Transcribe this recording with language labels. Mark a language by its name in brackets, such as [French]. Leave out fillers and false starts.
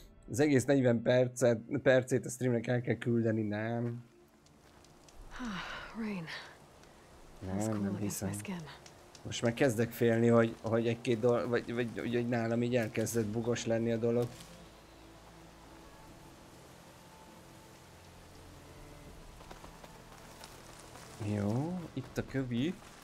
[Hungarian] Az egész 40 percét a streamnek el kell küldeni, nem. [English] Ah, rain. That's cooling off my skin. [Hungarian] Most már kezdek félni, hogy egy-két dolog, vagy nálam így elkezdett bugos lenni a dolog. Jó, itt a kövi.